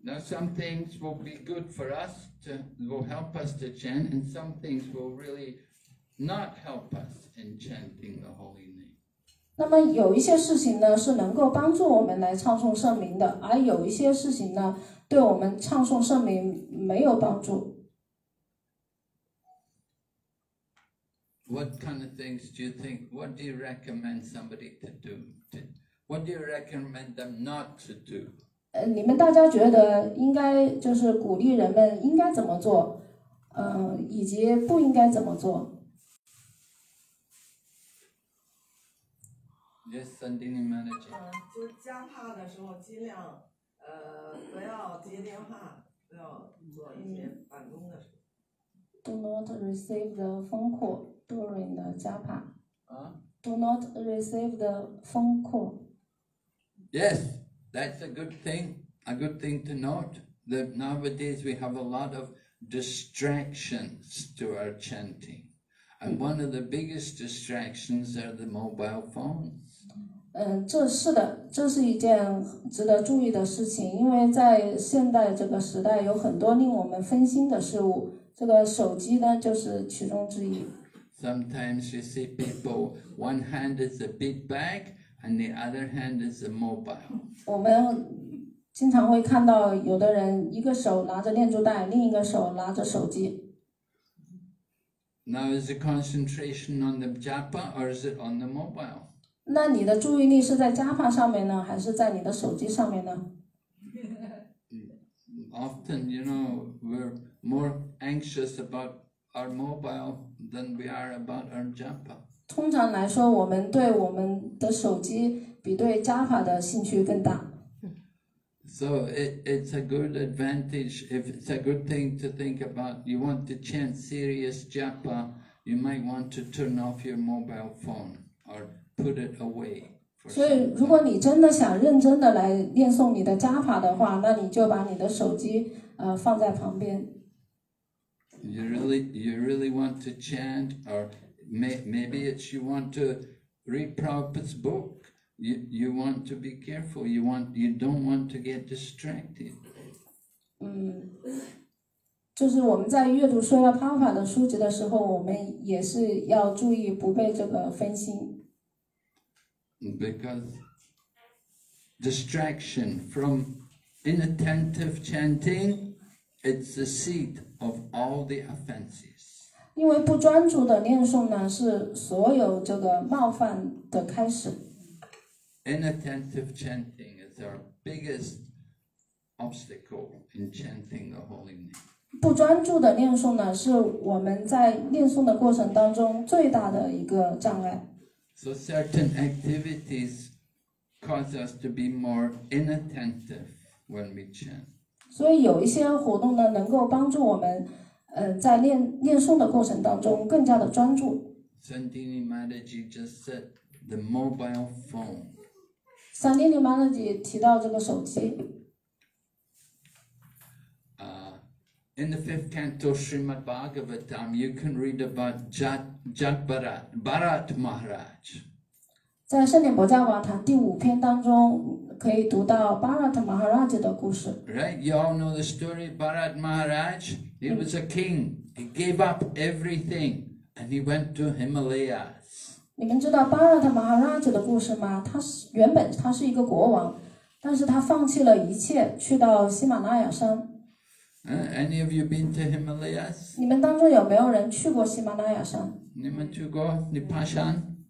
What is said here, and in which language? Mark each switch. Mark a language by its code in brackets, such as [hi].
[en] Now some things will be good for us to will help us to chant, and some things will really not help us in chanting the holy name. [zh] 那么有一些事情呢是能够帮助我们来唱诵圣名的，而有一些事情呢对我们唱诵圣名没有帮助。 [en] What kind of things do you think? What do you recommend somebody to do? What do you recommend them not to do? [zh] 你们大家觉得应该就是鼓励人们应该怎么做，以及不应该怎么做？ [en] Yes, Sandini Manager. [zh] 就加帕的时候，尽量不要接电话，不要做一些办公的事。 [en] Do not receive the phone call during the japa. 啊？ Do not receive the phone call. Yes, that's a good thing. A good thing to note that nowadays we have a lot of distractions to our chanting. And one of the biggest distractions are the mobile phones. [zh] 这是的，这是一件值得注意的事情，因为在现代这个时代有很多令我们分心的事物，这个手机呢就是其中之一。 [en] Sometimes you see people, one hand is a big bag, and the other hand is a mobile. [zh] 我们经常会看到有的人一个手拿着念珠袋，另一个手拿着手机。 [en] Now is the concentration on the japa or is it on the mobile? [zh] 那你的注意力是在japa上面呢，还是在你的手机上面呢？ [en] Often, you know, we're more anxious about our mobile than we are about our japa. [zh] 通常来说，我们对我们的手机比对japa的兴趣更大。 [en] So it's a good advantage, if it's a good thing to think about, you want to chant serious japa, you might want to turn off your mobile phone or put it away. [zh] 所以如果你真的想认真的来念诵你的japa的话，那你就把你的手机放在旁边。 [en] You really want to chant, or maybe it's you want to read Prabhupada's book. You want to be careful. You don't want to get distracted. [zh] 就是我们在阅读说了方法的书籍的时候，我们也是要注意不被这个分心。 [en] Because distraction from inattentive chanting, it's the seat of all the offenses. [zh] 因为不专注的念诵呢，是所有这个冒犯的开始。 [en] Inattentive chanting is our biggest obstacle in chanting the holy name. [zh] 不专注的念诵呢，是我们在念诵的过程当中最大的一个障碍。 [en] So certain activities cause us to be more inattentive when we chant. [zh] 所以有一些活动呢，能够帮助我们，在念诵的过程当中更加的专注。 [en] Sandini Mataji just said the mobile phone. [zh] Sandini Mataji 提到这个手机。 [en] In the fifth canto Srimad Bhagavatam, you can read about Jagbharat Maharaj. [zh] 在圣典博迦瓦坛第五篇当中，可以读到 Bharat Maharaj 的故事。 [en] Right, you all know the story. Bharat Maharaj, he was a king. He gave up everything and he went to Himalaya. [zh] 你们知道巴拉特马哈拉吉的故事吗？他原本是一个国王，但是他放弃了一切，去到喜马拉雅山。 [en] Any of you been to Himalayas? [zh] 你们当中有没有人去过喜马拉雅山？你们去过？你爬山？